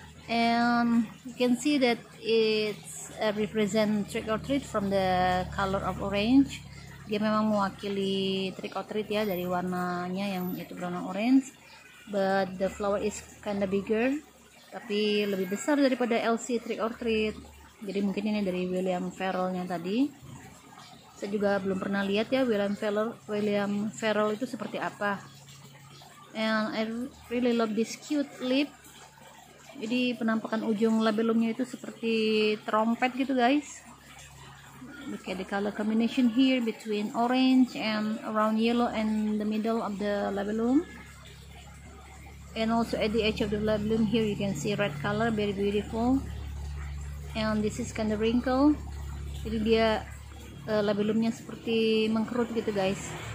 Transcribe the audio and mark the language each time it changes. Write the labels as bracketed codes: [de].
[en] And you can see that it's represent Trick or Treat from the color of orange. [id] Dia memang mewakili Trick or Treat ya, dari warnanya yang itu [en] brown and orange. But the flower is kinda bigger, [id] tapi lebih besar daripada [en] LC Trick or Treat. [id] Jadi mungkin ini dari William Farrell-nya tadi. Saya juga belum pernah lihat ya William Farrell itu seperti apa. [en] And I really love this cute leaf. [id] Jadi penampakan ujung labelumnya itu seperti trompet gitu guys. [en] Look at the color combination here between orange and around yellow and the middle of the labelum. And also at the edge of the labelum here you can see red color, very beautiful. And this is kind of wrinkle. [id] Jadi dia labelumnya seperti mengkerut gitu guys.